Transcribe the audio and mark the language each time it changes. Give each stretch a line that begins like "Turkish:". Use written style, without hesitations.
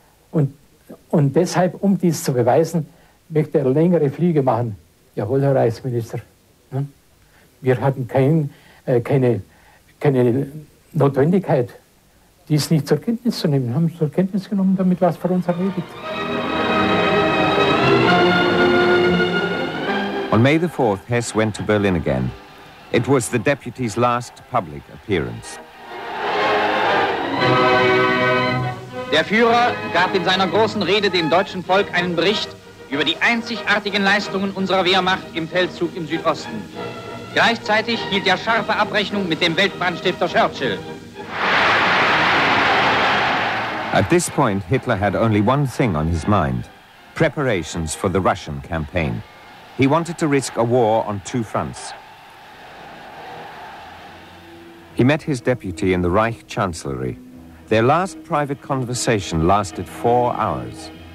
German: Und deshalb, um dies zu beweisen, möchte er längere Flüge machen. Jawohl, Herr Reichsminister. Wir hatten keine Notwendigkeit, dies nicht zur Kenntnis zu nehmen. Wir haben es zur Kenntnis genommen, damit war es für uns erledigt.
English: On May the 4th, Hess went to Berlin again. It was the deputy's last public appearance.
German: Der Führer gab in seiner großen Rede dem deutschen Volk einen Bericht über die einzigartigen Leistungen unserer Wehrmacht im Feldzug im Südosten. Gleichzeitig hielt er scharfe Abrechnung mit dem Weltbrandstifter Churchill.
English: At this point, Hitler had only one thing on his mind: preparations for the Russian campaign. He wanted to risk a war on two fronts. He met his deputy in the Reich Chancellery. Their last private conversation lasted 4 hours.